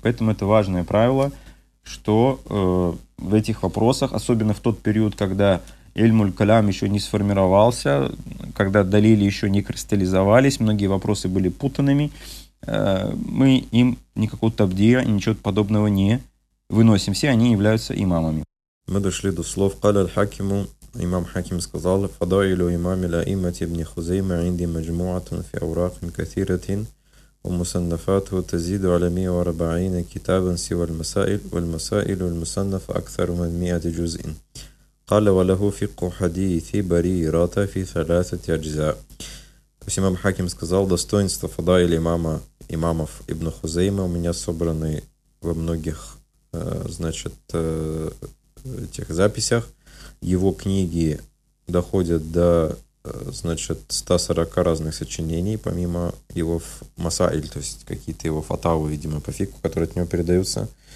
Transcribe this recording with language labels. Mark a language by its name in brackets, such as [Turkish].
[Russian] Поэтому это важное правило, что в этих вопросах, особенно в тот период, когда Ильм-уль-Калям еще не сформировался, когда далили еще не кристаллизовались, многие вопросы были путанными, мы им никакого табдия, ничего подобного не выносим. Все они являются имамами. Мы дошли до слов [Arabic] «Каля аль-Хакиму», [Russian] имам Хаким сказал [Arabic] «Фадайлю имами ла имати ибн Хузейма инди маджмуатан фи аурахин кафиратин». ومصنفاته تزيد على 140 كتابا سوى المسائل والمسائل المصنف أكثر من 100 جزء قال وله فقه حديث بريرة في ثلاثة أجزاء. [Russian] То есть имам Хаким сказал, достоинство фадаил имама, имамов Ибн Хузейма у меня собраны во многих, значит, этих записях. Его книги доходят до, значит, 140 разных сочинений, помимо его масаиль, то есть какие-то его фатавы, видимо, по фику, которые от него передаются.